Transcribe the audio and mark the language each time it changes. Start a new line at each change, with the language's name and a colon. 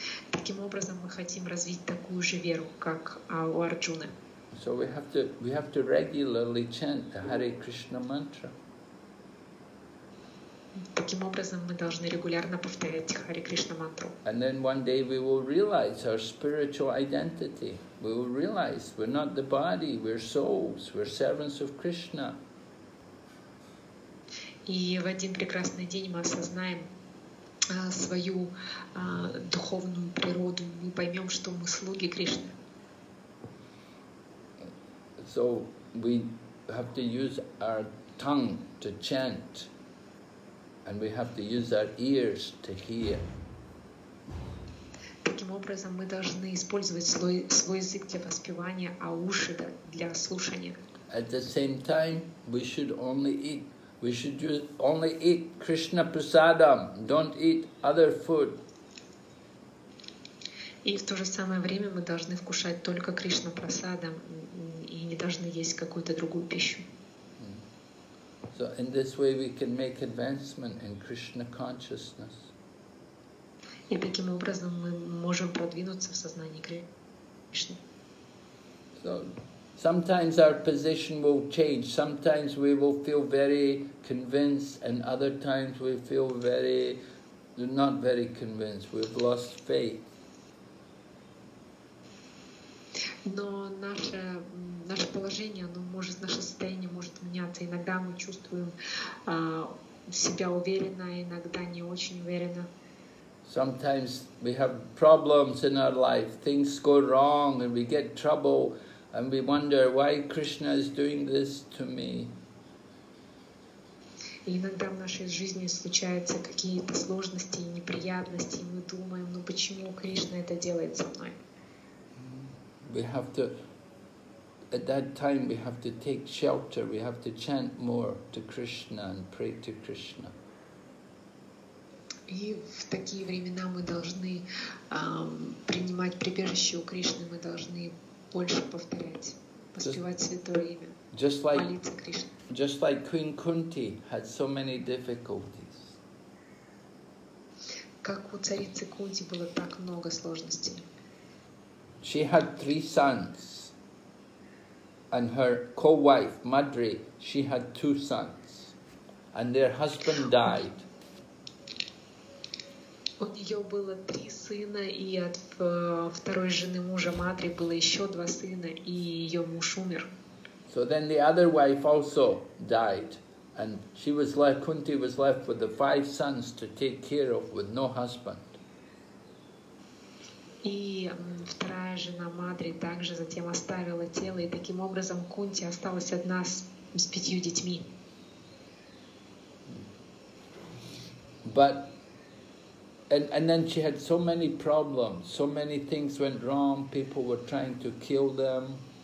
Russian: Таким образом, мы хотим развить такую же веру, как у Арджуны.
English: So we have to regularly chant the Hare Krishna mantra.
Russian: Таким образом, мы должны регулярно повторять Харе Кришна мантру.
English: And then one day we will realize our spiritual identity. We will realize we're not the body, we're souls, we're servants of Krishna.
Russian: И в один прекрасный день мы осознаем свою духовную природу. Мы поймем, что мы слуги Кришны.
English: So we have to use our tongue to chant, and we have to use our ears to hear.
Russian: Таким образом, мы должны использовать свой язык для воспевания, а уши для слушания.
English: At the same time, we should only eat. We should only eat Krishna prasadam, don't eat other food.
Russian: И в то же самое время мы должны вкушать только Кришна прасадам и не должны есть какую-то другую пищу.
English: So in this way we can make advancement in Krishna consciousness.
Russian: И таким образом мы можем продвинуться в сознании Кришны.
English: So, sometimes our position will change. Sometimes we will feel very convinced, and other times we feel very, not very convinced. We've lost faith.
Russian: Но наше положение, наше состояние может меняться. Иногда мы чувствуем себя уверенно, иногда не очень уверенно.
English: Sometimes we have problems in our life. Things go wrong, and we get trouble. And we wonder why Krishna is doing this to me.
Russian: Иногда в нашей жизни случаются какие-то сложности и неприятности, и мы думаем, почему Кришна это делает со мной?
English: We have to, at that time, we have to take shelter. We have to chant more to Krishna and pray to Krishna.
Russian: И в такие времена мы должны принимать прибежище у Кришны. Мы должны больше повторять, воспевать святое имя, молиться Кришне.
English: Just like Queen Kunti had so many difficulties.
Russian: Как у царицы Кунти было так много сложностей.
English: She had three sons, and her co-wife Madri, she had two sons, and their husband died.
Russian: У нее было три сына, и от второй жены мужа Мадри было еще два сына, и ее муж умер.
English: So then the other wife also died, and she was left, Kunti was left with the five sons to take care of with no husband.
Russian: И вторая жена Мадри также затем оставила тело, и таким образом Кунти осталась одна с пятью детьми.
English: But And then she had so many problems, so many things went wrong, people were trying to kill them.